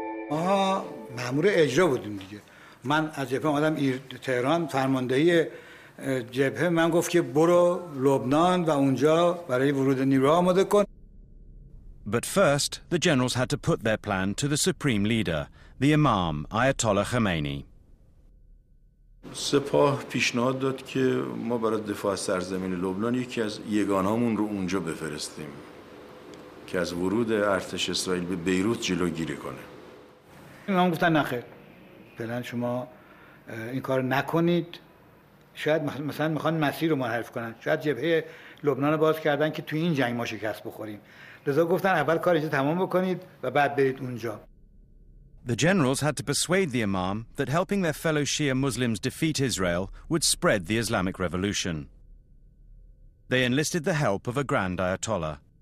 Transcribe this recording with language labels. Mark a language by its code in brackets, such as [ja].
[en] We were a government. I was from Tehran, the commander of the army. I said, go to Lebanon and there for the invasion. But first, the generals had to put their plan to the supreme leader, the Imam Ayatollah Khomeini. [fa] سپاه پیشنهاد داد که ما برای دفاع از سرزمین لبنان یکی از یگانهامون رو اونجا بفرستیم که از ورود ارتش اسرائیل به بیروت جلوگیری کنه. امام گفتن نخیر. پلن شما این کار نکنید. شاید مثلا میخوان مسیر رو منحرف کنن. شاید جبهه لبنان رو باز کردن که تو این جنگ ما شکست بخوریم. [en] The generals had to persuade the Imam that helping their fellow Shia Muslims defeat Israel would spread the Islamic Revolution. They enlisted the help of a Grand Ayatollah.